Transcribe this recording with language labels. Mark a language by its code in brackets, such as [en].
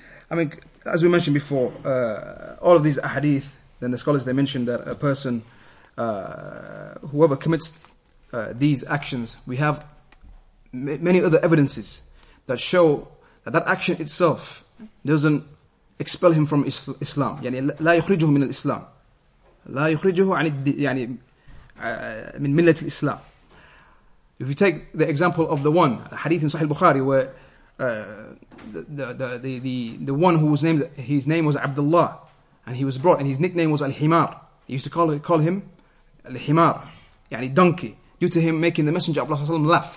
[en] I mean, as we mentioned before, all of these ahadith, then the scholars, they mentioned that a person, whoever commits these actions, we have many other evidences that show that that action itself doesn't expel him from Islam. [ar] يعني لا يخرجه من الإسلام. لا يخرجه عن يعني من ملة الإسلام. [en] If you take the example of the one, the hadith in Sahih Bukhari, where the one who was named, his name was Abdullah, and he was brought, and his nickname was Al-Himar. He used to call him Al-Himar, yani donkey, due to him making the Messenger of Allah laugh.